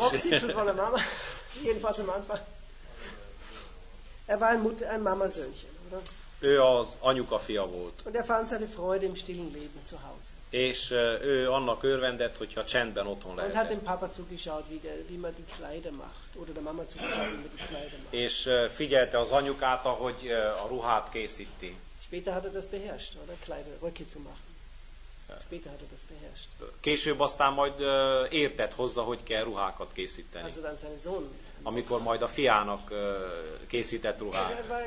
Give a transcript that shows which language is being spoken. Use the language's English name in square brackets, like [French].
[German] Hochzipfel von der Mama, jedenfalls am Anfang. Er war ein Mutter, ein Mamasöhnchen, oder? [Hungarian] Ő az anyuka fia volt. [German] Und er fand seine Freude im stillen Leben zu Hause. [Hungarian] És ő annak örvendett, hogyha csendben otthon lehetett. [German] Und hat dem Papa zugeschaut, wie der, wie man die Kleider macht, oder der Mama zugeschaut, wie man die Kleider macht. [Hungarian] És figyelte az anyukát, ahogy a ruhát készíti. [German] Später hat er das beherrscht, oder Kleider, Röcke zu machen. Später hat er das beherrscht. [Hungarian] Később aztán majd értett hozzá, hogy kell ruhákat készíteni. [German] Also dann sein Sohn. [Hungarian] Amikor majd a fiának készített ruhát.